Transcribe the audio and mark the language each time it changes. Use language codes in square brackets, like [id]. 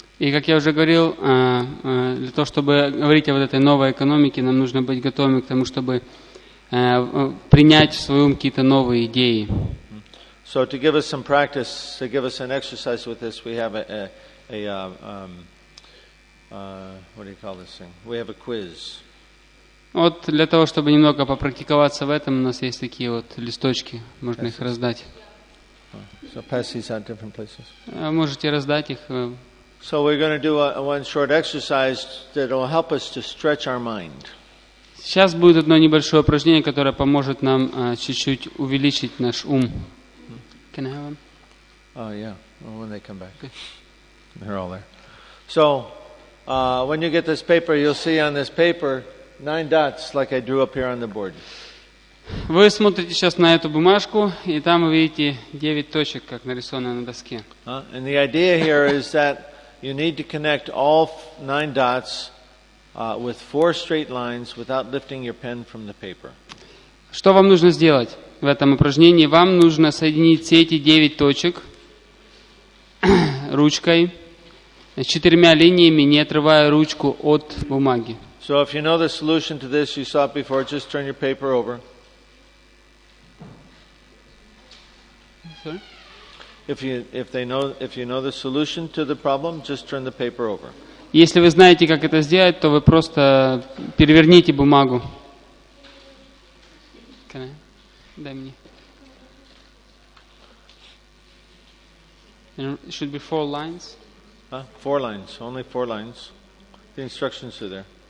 [ru] И как я уже говорил, для того чтобы говорить о вот этой новой экономике, нам нужно быть готовыми к тому, чтобы принять в свой ум какие-то новые идеи. [en] So to give us some practice, to give us an exercise with this, we have We have a quiz. [ru] Вот для того, чтобы немного попрактиковаться в этом, у нас есть такие вот листочки, можно их раздать. [en] So pass these out different places. [ru] Можете раздать их. [en] So we're going to do one short exercise that will help us to stretch our mind. [ru] Сейчас будет одно небольшое упражнение, которое поможет нам чуть-чуть увеличить наш ум. [en] Can I have one? Well, when they come back. They're all there. So, when you get this paper, you'll see on this paper 9 dots like I drew up here on the board. [ru] Вы смотрите сейчас на эту бумажку, и там вы видите 9 точек, как нарисовано на доске. [en] And the idea here is that you need to connect all 9 dots with 4 straight lines without lifting your pen from the paper. [ru] Что вам нужно сделать в этом упражнении? Вам нужно соединить все эти 9 точек ручкой, с 4 линиями, не отрывая ручку от бумаги. [en] So if you know the solution to this, you saw it before, just turn your paper over. If you know the solution to the problem, just turn the paper over. [ru] Если вы знаете, как это сделать, то вы просто переверните бумагу. Дай мне. [en] It should be 4 lines. Four lines, only 4 lines. The instructions are there.